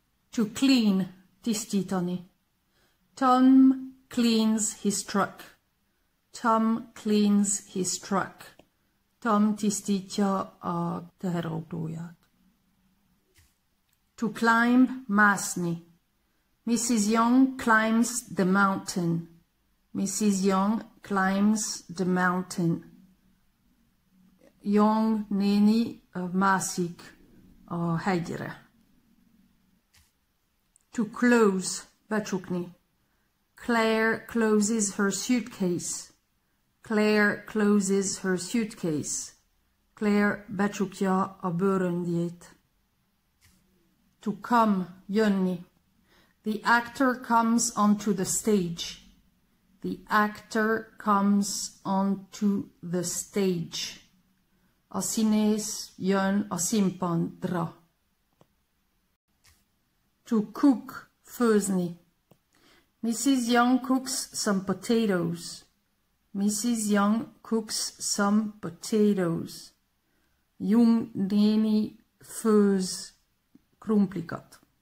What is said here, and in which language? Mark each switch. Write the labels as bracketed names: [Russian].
[English] To clean, tisztítani. Tom cleans his truck. Tom cleans his truck. [Hungarian] Tom tisztítja a teherautóját. [English] To climb, mászni. Mrs. Young climbs the mountain. Mrs. Young climbs the mountain. [Hungarian] Young néni mászik a hegyre. [English] To close, becsukni. Claire closes her suitcase. Claire closes her suitcase. [Hungarian] Claire becsukja a bőröndjét. [English] To come, jönni. The actor comes onto the stage. The actor comes onto the stage. [Hungarian] A színész jön a színpadra. [English] To cook, főzni. Mrs. Young cooks some potatoes. Mrs. Young cooks some potatoes. [Hungarian] Young néni főz krumplikat.